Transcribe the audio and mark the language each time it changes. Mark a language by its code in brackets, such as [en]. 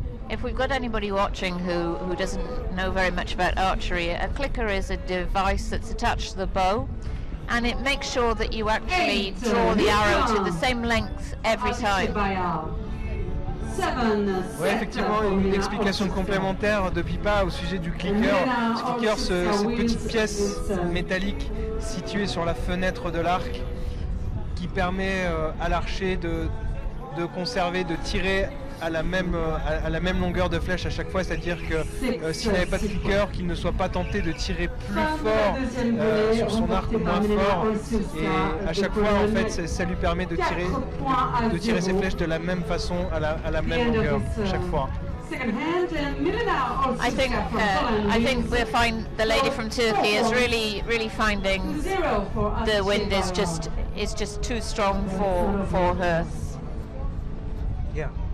[en] If we've got anybody watching who doesn't know very much about archery, a clicker is a device that's attached to the bow, and it makes sure that you actually draw the arrow to the same length every time. [fr] Oui, effectivement, une explication complémentaire de Pipa au sujet du clicker. Ce clicker, cette petite pièce métallique située sur la fenêtre de l'arc, qui permet à l'archer de conserver, de tirer à la même longueur de flèche à chaque fois, c'est-à-dire que s'il n'avait pas de clicker, qu'il ne soit pas tenté de tirer plus fort sur son arc ou moins fort. Et à chaque fois, en fait, ça lui permet de tirer ses flèches de la même façon, à la même longueur, à chaque fois. [en] I think we find the lady from Turkey is really, really finding the wind is just too strong for her. Yeah.